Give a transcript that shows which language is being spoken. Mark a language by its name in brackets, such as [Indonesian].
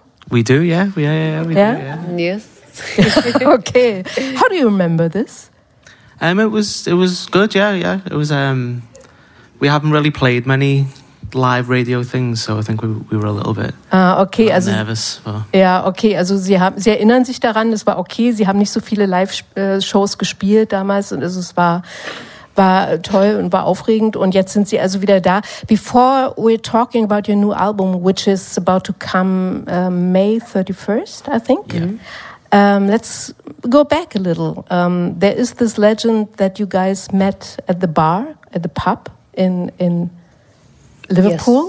[English] We do, yeah. We do, yeah. Yes. Okay. How do you remember this? It was good, yeah. It was we haven't really played many live radio things, so I think we were a little bit also, nervous. Yeah, okay. [German] Also Sie erinnern sich daran, es war okay, Sie haben nicht so viele Live-Shows gespielt damals und also, es war toll und war aufregend und jetzt sind Sie also wieder da. [English] Before we're talking about your new album, which is about to come May 31st, I think. Yeah. Let's go back a little. There is this legend that you guys met at the bar, at the pub in Liverpool.